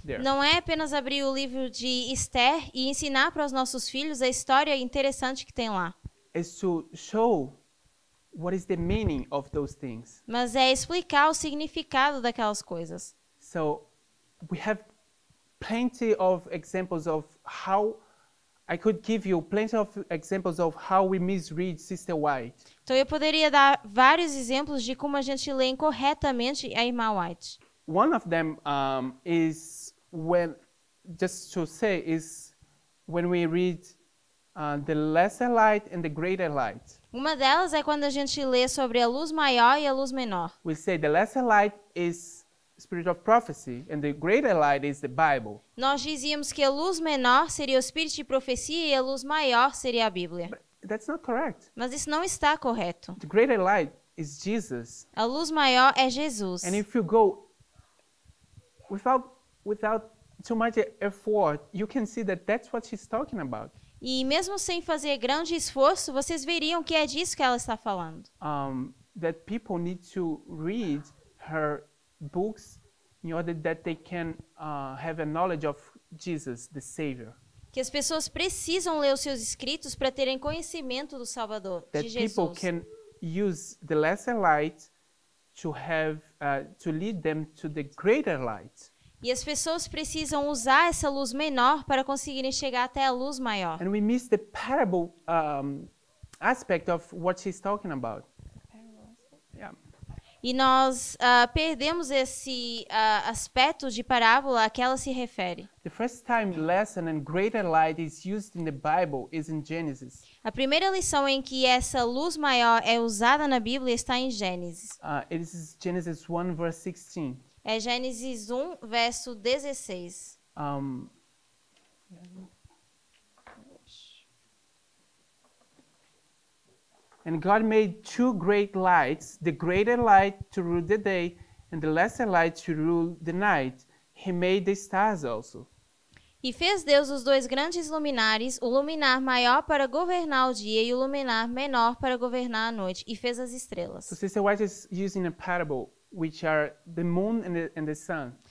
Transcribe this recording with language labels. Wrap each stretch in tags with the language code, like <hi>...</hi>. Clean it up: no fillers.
<pt>Não é apenas abrir o livro de Esther e ensinar para os nossos filhos a história interessante que tem lá.</pt> <en>Is to show what is the meaning of those things.</en> <pt>Mas é explicar o significado daquelas coisas.</pt> <en>So we have plenty of examples of how I could give you plenty of examples of how we misread Sister White.</en> <pt>Então eu poderia dar vários exemplos de como a gente lê incorretamente a irmã White.</pt> <en>One of them is when, just to say, is when we read the lesser light and the greater light.</en> <pt>Uma delas é quando a gente lê sobre a luz maior e a luz menor.</pt> <en>We say the lesser light is spirit of prophecy and the greater light is the Bible.</en> <pt>Nós dizíamos que a luz menor seria o espírito de profecia e a luz maior seria a Bíblia.</pt> <en>But that's not correct.</en> <pt>Mas isso não está correto.</pt> <en>The greater light is Jesus.</en> <pt>A luz maior é Jesus.</pt> <en>And if you go without too much effort, you can see that that's what she's talking about.</en> <pt>E mesmo sem fazer grande esforço, vocês veriam que é disso que ela está falando.</pt> <en>That people need to read her books in order that they can have a knowledge of Jesus, the Savior.</en> <pt>Que as pessoas precisam ler os seus escritos para terem conhecimento do Salvador,</pt> <en>that</en> <pt>de Jesus.</pt> <en>That people can use the lesser light to have to lead them to the greater light.</en> <pt>E as pessoas precisam usar essa luz menor para conseguirem chegar até a luz maior.</pt> <en>And we miss the parable aspect of what she's talking about. Yeah.</en> <pt>E nós perdemos esse aspecto de parábola a que ela se refere.</pt> <en>The first time lesson and greater light is used in the Bible is in Genesis.</en> <pt>A primeira lição em que essa luz maior é usada na Bíblia está em Gênesis.</pt> <en>It is Genesis 1 verse 16.</en> <pt>É Gênesis 1, verso 16.</pt> <en>And God made two great lights, the greater light to rule the day, and the lesser light to rule the night. He made the stars also.</en> <pt>E fez Deus os dois grandes luminares, o luminar maior para governar o dia e o luminar menor para governar a noite. E fez as estrelas.</pt> <en>So Sister White is using a parable, which are the moon and the sun.</en>